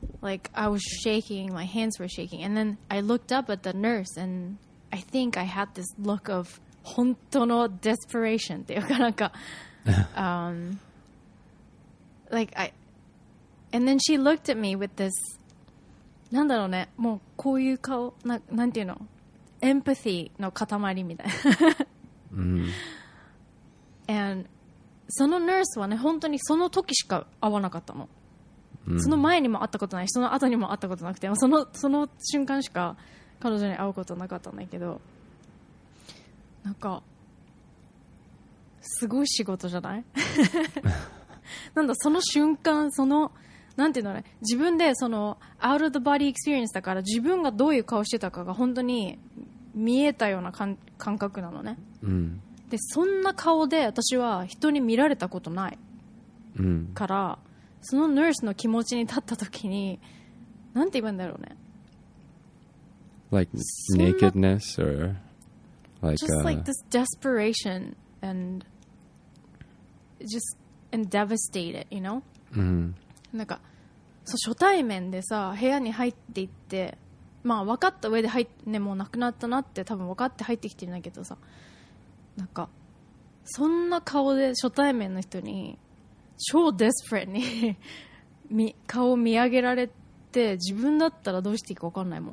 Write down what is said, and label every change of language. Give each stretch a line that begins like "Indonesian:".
English: Like I was shaking, my hands were shaking, and then I looked up at the nurse, and I think I had this look of
Japanese: 本当の
English: desperation
Japanese: っていうかなんか、
English: like I, and then she looked at me with this,
Japanese: なんだろうね、もうこういう顔、なんていうの。 Empathy の塊みたいな。 And そのナースはね、本当にその時しか会わなかったの。その前にも会ったことない、その後にも会ったことなくて、その瞬間しか彼女に会うことなかったんだけど、なんかすごい仕事じゃない？なんだその瞬間、そのなんていうのね、自分でその
English: out of the body experience
Japanese: だから、自分がどういう顔してたかが本当に見えたような感覚なのね、うん、でそんな顔で私は人に見られたことない、うん、からそのナースの気持ちに立った時に、なんて言うんだろうね、
English: like nakedness or like just like this desperation and just and devastated, you know、うん、
Japanese: なんかそう初対面でさ部屋に入っていって、まあ分かった上で入っ、ね、もう亡くなったなって多分分かって入ってきてるんだけどさ、なんかそんな顔で初対面の人に超デスプレに顔を見上げられて、自分だったらどうしていいか分かんないもん、